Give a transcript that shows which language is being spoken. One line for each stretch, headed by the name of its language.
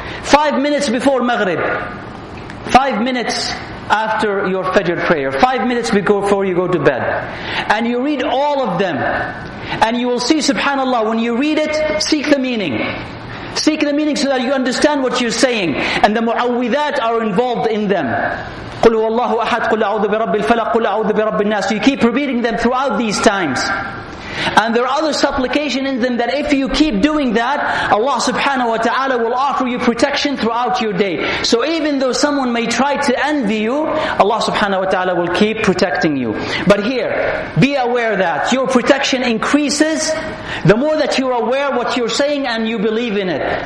English: 5 minutes before Maghrib. 5 minutes after your Fajr prayer, 5 minutes before you go to bed. And you read all of them. And you will see, subhanAllah, when you read it, seek the meaning. Seek the meaning so that you understand what you're saying. And the mu'awwidhat are involved in them.
Arabic: قُلْ هُوَ اللَّهُ أَحَدْ قُلْ أَعُوذُ بِرَبِّ الْفَلَقِ قُلْ أَعُوذُ بِرَبِّ النَّاسِ.
English: You keep repeating them throughout these times. And there are other supplication in them that if you keep doing that, Allah subhanahu wa ta'ala will offer you protection throughout your day. So even though someone may try to envy you, Allah subhanahu wa ta'ala will keep protecting you. But here, be aware that your protection increases the more that you're aware of what you're saying and you believe in it.